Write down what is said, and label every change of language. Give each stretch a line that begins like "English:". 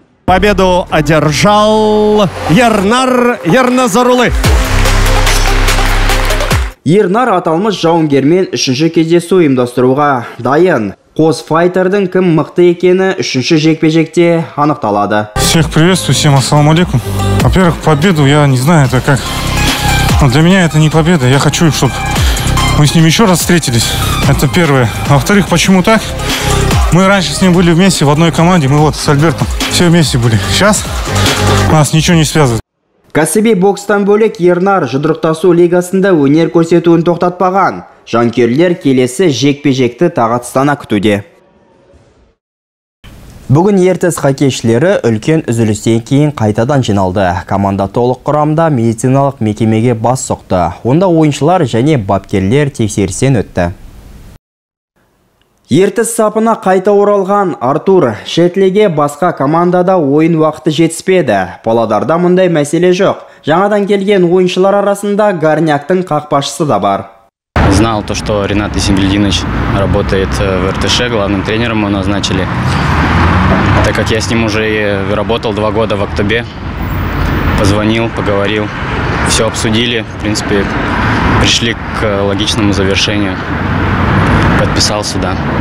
Russian: Победу одержал Ернар Ерназарұлы.
Kazakh: Ернар аталмыш жауынгермен үшінші кездесу ұйымдастыруға дайын. Қос файтердің кім мықты екені үшінші жекпе-жекте анықталады.
Russian: Всех приветствую, всем ассаламу алейкум. Во-первых, победу я не знаю, это как. Но для меня это не победа. Я хочу, чтобы мы с ним еще раз встретились. Это первое. Во-вторых, почему так? Мы раньше с ним были вместе в одной команде. Мы вот с Альбертом все вместе были. Сейчас нас ничего не связывает.
Kazakh: Кәсіби бокстан бөлек Ернар жұдырықтасу лигасында өнер көрсетуін тоқтатпаған. Жанкерлер келесі жекпе-жекті тағатыстана күтуде. Бүгін Ертіс хоккейшілері үлкен үзілістен кейін қайтадан жиналды. Команда толық құрамда медициналық мекемеге бас соқты. Онда ойыншылар және бапкерлер тексерістен өтті. Ертіс сапына қайта оралған Артур Шетлеге басқа командада ойын уақыты жетіспеді. Павлодарда мұндай мәселе жоқ. Жаңадан келген ойыншылар арасында Горняктың қақпашысы да бар.
Russian: Знал то, что Ренат Исенгельдинович работает в РТШ, главным тренером его назначили. Так как я с ним уже работал 2 года в Актобе, позвонил, поговорил, все обсудили, в принципе, пришли к логичному завершению, подписался, да.